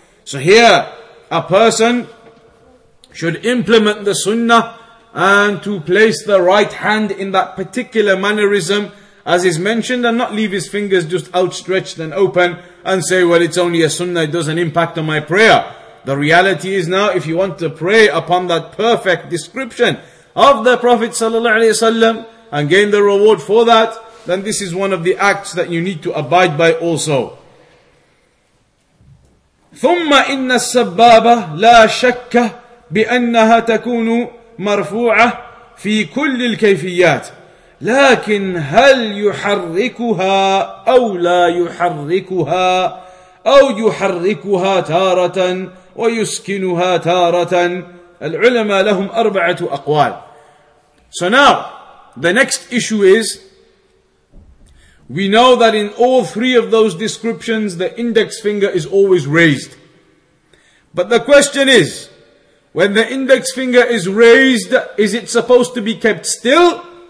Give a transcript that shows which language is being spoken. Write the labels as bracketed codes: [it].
[en] So here, a person should implement the sunnah and to place the right hand in that particular mannerism as is mentioned, and not leave his fingers just outstretched and open and say, well, it's only a sunnah, it doesn't impact on my prayer. The reality is now, if you want to pray upon that perfect description of the Prophet ﷺ and gain the reward for that, then this is one of the acts that you need to abide by also. [ar] ثُمَّ إِنَّ السَّبَّابَ لَا شَكَّ بِأَنَّهَا تَكُونُ مَرْفُوعَةً فِي كُلِّ الْكَيْفِيَّاتِ لكن هل يحركها أو لا يحركها أو يحركها تارة ويسكنها تارة العلماء لهم أربعة أقوال. [en] So now the next issue is, we know that in all three of those descriptions the index finger is always raised, but the question is, when the index finger is raised, is it supposed to be kept still?